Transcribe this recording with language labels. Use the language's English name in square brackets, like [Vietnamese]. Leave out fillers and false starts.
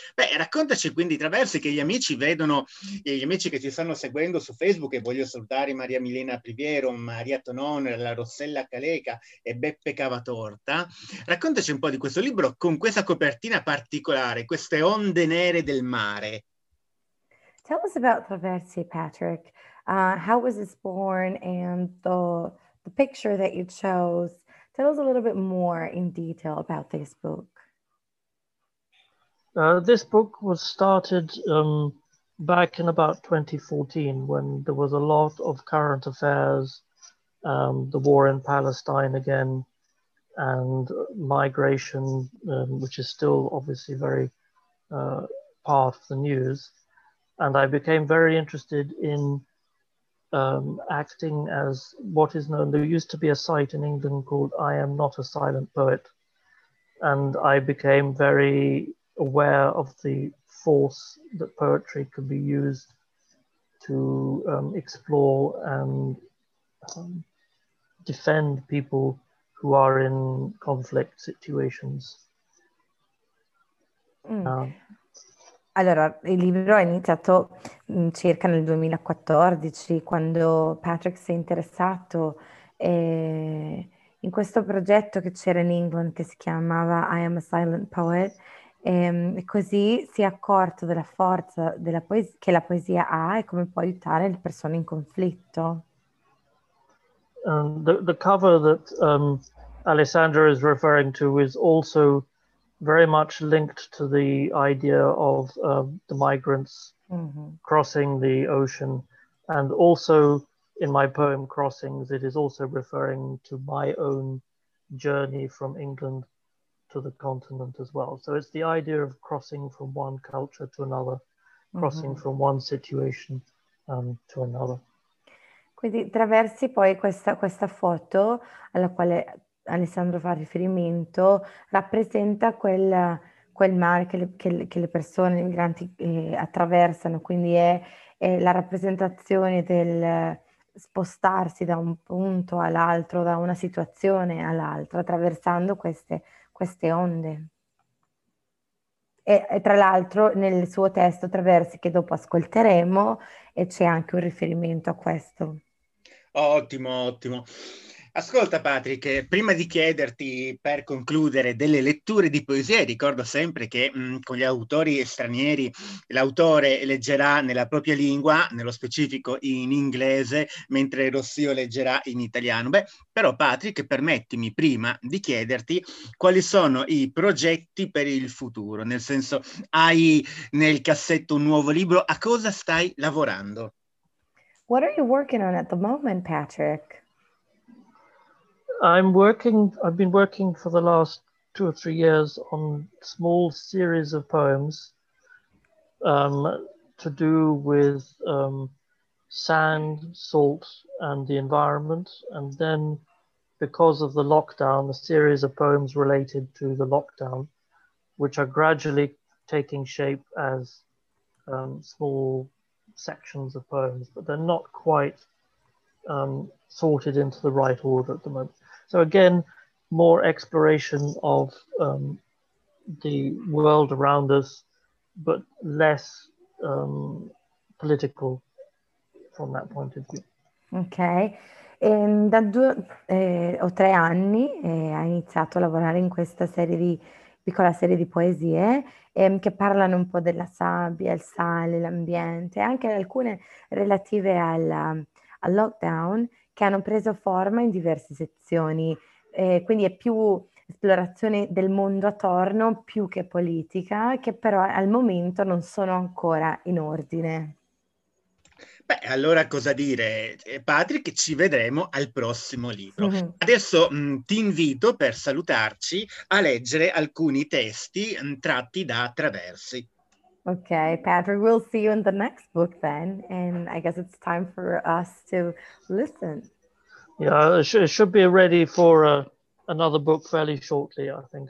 [Italian] Beh, raccontaci quindi Traversi che gli amici vedono, gli amici che ci stanno seguendo su Facebook, e voglio salutare Maria Milena Priviero, Maria Tonon, la Rossella Caleca e Beppe Cavatorta. Raccontaci un po' di questo libro con questa copertina particolare, queste onde nere del mare. [English] Tell us about Traversi, Patrick. How was this born and the picture that you chose? Tell us a little bit more in detail about this book. This book was started back in about 2014 when there was a lot of current affairs. The war in Palestine again, and migration, which is still obviously very part of the news. And I became very interested in acting as what is known, there used to be a site in England called I Am Not a Silent Poet. And I became very aware of the force that poetry could be used to explore and defend people who are in conflict situations. [Italian] Allora, il libro è iniziato circa nel 2014, quando Patrick si è interessato in questo progetto che c'era in England che si chiamava I Am a Silent Poet, e così si è accorto della forza della che la poesia ha e come può aiutare le persone in conflitto. [English] And the cover that Alessandra is referring to is also very much linked to the idea of the migrants crossing the ocean. And also in my poem, Crossings, it is also referring to my own journey from England to the continent as well. So it's the idea of crossing from one culture to another, crossing from one situation to another. [Italian] Quindi traversi poi questa foto alla quale Alessandro fa riferimento, rappresenta quel mare che le persone, i migranti attraversano, quindi è la rappresentazione del spostarsi da un punto all'altro, da una situazione all'altra, attraversando queste onde. E tra l'altro nel suo testo Traversi, che dopo ascolteremo, c'è anche un riferimento a questo. Ottimo, ottimo. Ascolta Patrick, prima di chiederti per concludere delle letture di poesie, ricordo sempre che con gli autori stranieri l'autore leggerà nella propria lingua, nello specifico in inglese, mentre Rossio leggerà in italiano. Beh, però Patrick, permettimi prima di chiederti quali sono i progetti per il futuro, nel senso, hai nel cassetto un nuovo libro, a cosa stai lavorando? [English] What are you working on at the moment, Patrick? I've been working for the last 2 or 3 years on small series of poems to do with sand, salt, and the environment. And then, because of the lockdown, a series of poems related to the lockdown, which are gradually taking shape as small sections of poems, but they're not quite sorted into the right order at the moment. So again, more exploration of the world around us, but less political from that point of view. [Italian] Ok, da 2 o 3 anni hai iniziato a lavorare in questa serie di piccola serie di poesie che parlano un po' della sabbia, il sale, l'ambiente, anche alcune relative al lockdown che hanno preso forma in diverse sezioni. Quindi è più esplorazione del mondo attorno più che politica, che però al momento non sono ancora in ordine. Beh, allora cosa dire, Patrick? Ci vedremo al prossimo libro. Adesso ti invito per salutarci a leggere alcuni testi tratti da Traversi. [English] Okay, Patrick, we'll see you in the next book then, and I guess it's time for us to listen. Yeah, it should be ready for another book fairly shortly, I think.